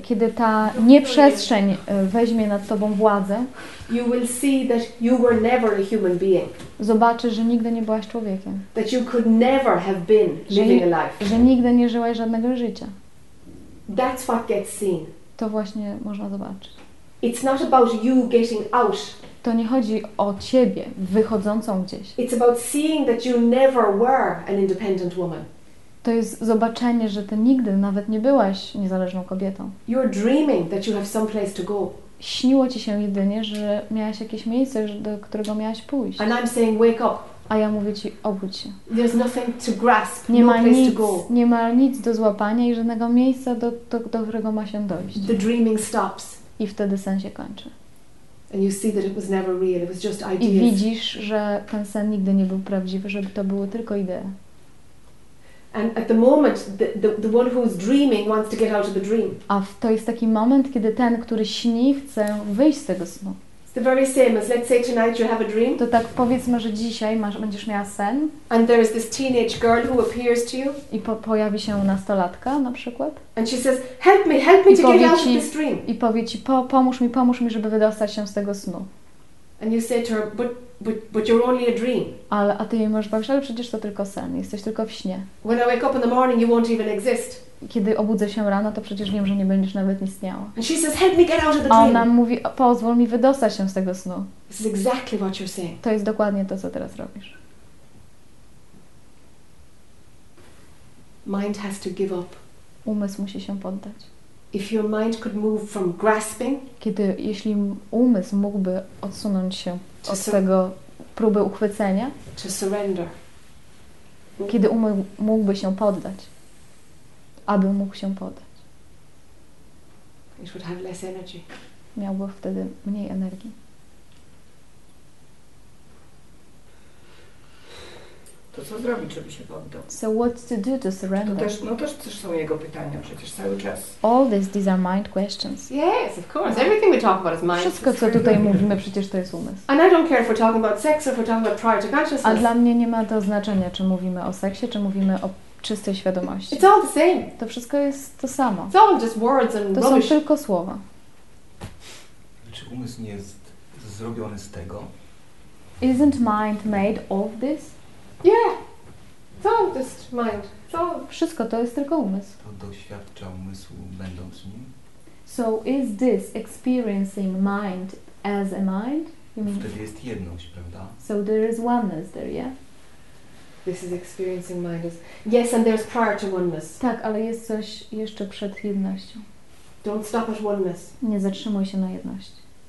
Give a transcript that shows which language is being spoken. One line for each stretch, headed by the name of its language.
Polish: Kiedy ta nieprzestrzeń weźmie nad tobą władzę.
English: You will see that you were never a human being.
Polish: Zobaczysz, że nigdy nie byłaś człowiekiem.
English: That you could never have been living a life.
Polish: Że nigdy nie żyłaś żadnego życia.
English: That's what gets seen.
Polish: To właśnie można zobaczyć.
English: It's not about you getting out.
Polish: To nie chodzi o ciebie wychodzącą gdzieś.
English: It's about seeing that you never were an independent woman.
Polish: To jest zobaczenie, że ty nigdy nawet nie byłaś niezależną kobietą.
English: You're dreaming that you have some place to go.
Polish: Śniło ci się jedynie, że miałaś jakieś miejsce, do którego miałaś pójść.
English: And I'm saying wake up.
Polish: A ja mówię ci, obudź się.
English: There's nothing to grasp,
Polish: nie
English: no
Polish: ma
English: place
Polish: nic,
English: to go.
Polish: Nie ma nic do złapania i żadnego miejsca, do którego ma się dojść.
English: The dreaming stops.
Polish: I wtedy sen się kończy.
English: And you see that it was never real, it was just ideas.
Polish: I widzisz, że ten sen nigdy nie był prawdziwy, żeby to były tylko idee.
English: And at the moment, the one who's dreaming wants to get out of the dream.
Polish: A to jest taki moment, kiedy ten, który śni, chce wyjść z tego snu.
English: The very same as let's say tonight you have a dream.
Polish: To tak powiedzmy, że dzisiaj będziesz miała sen.
English: And there is this teenage girl who appears to you.
Polish: I pojawi się nastolatka na przykład.
English: And she says, help me to get out of this dream.
Polish: I powie ci, pomóż mi, żeby wydostać się z tego snu.
English: And you say to her, but you're only a dream.
Polish: Ale a ty jej możesz powiedzieć, ale przecież to tylko sen, jesteś tylko w śnie.
English: When I wake up in the morning, you won't even exist.
Polish: Kiedy obudzę się rano, to przecież wiem, że nie będziesz nawet istniała.
English: And she says, help me get out of the dream.
Polish: Ona mówi, pozwól mi wydostać się z tego snu.
English: This is exactly what you're saying.
Polish: To jest dokładnie to, co teraz robisz.
English: Mind has to give up.
Polish: Umysł musi się poddać.
English: If your mind could move from grasping,
Polish: jeśli umysł mógłby odsunąć się od tego próby uchwycenia,
English: to surrender.
Polish: Kiedy umysł mógłby się poddać. Aby mógł się poddać.
English: It would have less energy.
Polish: Miałby wtedy mniej energii. To co zrobić, żeby się poddał?
English: So what to do to surrender?
Polish: To też są jego pytania przecież cały czas.
English: All this, these are mind questions. Yes, of course. Everything we talk about is mind.
Polish: Wszystko, co tutaj mówimy, przecież to jest umysł.
English: And I don't care if we're talking about sex or if we're talking about prior to consciousness.
Polish: A dla mnie nie ma to znaczenia, czy mówimy o seksie, czy mówimy o czystej świadomości.
English: It's all the same.
Polish: To wszystko jest to samo.
English: It's all just words and
Polish: to
English: rubbish.
Polish: Są tylko słowa. Czy umysł nie jest zrobiony z tego?
English: Isn't mind made of this? Yeah. It's all just mind. It's all...
Polish: Wszystko to jest tylko umysł. To doświadcza umysł będąc nim?
English: So is this experiencing mind as a mind? You mean?
Polish: Wtedy jest jedność, prawda?
English: So there is oneness there, yeah? This is experiencing mind as... Yes, and there's prior to oneness.
Polish: Tak, ale jest coś jeszcze przed jednością.
English: Don't stop at oneness.
Polish: Nie zatrzymuj się na jedności.